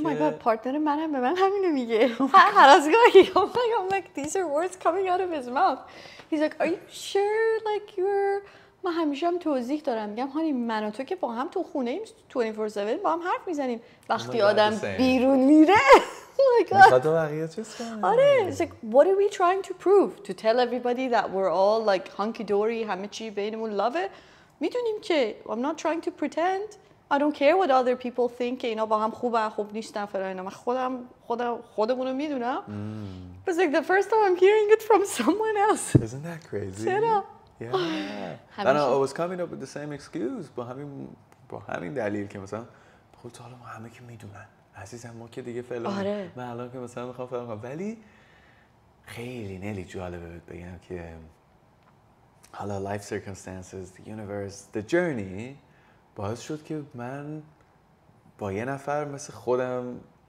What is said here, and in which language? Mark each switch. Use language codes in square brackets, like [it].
[fa] مای گاد پارتنر منم به من همینو میگه هر از گاهی [en] like these are words coming out of his mouth He's like, are you sure, like, you're... [fa] من همیشه هم توضیح دارم. میگم هانی من و تو که با هم تو خونه ایم 24-7 با هم حرف میزنیم. وقتی آدم بیرون میره. میخواد تو بقیه چیز کنه. آره. [en] It's like, what are we trying to prove? To tell everybody that we're all, like, hunky-dory, [fa] همه چی بینمون [en] love it. [fa] میدونیم که [en] I'm not trying to pretend. I don't care what other people think [fa] که اینا با هم خوب هم خوب نیستن فرای اینا. من خودمونو میدونم. [en] It's like the first time I'm hearing it from someone else. Isn't that crazy? [fa] چرا؟ [en] Yeah. And I was coming up with the same excuse. [fa] با همین دلیل که مثلا خود تو حالا ما همه که میدونن. عزیزم ما که دیگه فلان. آره. من الان که مثلا میخوام فلان کنم. ولی خیلی نلی جالبه بهت بگم که حالا [en] life circumstances, the universe, the journey [fa] باعث شد که من با یه نفر مثل خودم